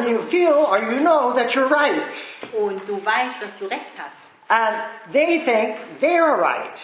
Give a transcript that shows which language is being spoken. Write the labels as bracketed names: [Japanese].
[English] And you feel or you know that you're right. [German] Und du weißt, dass du recht hast. [English] And they think they are right.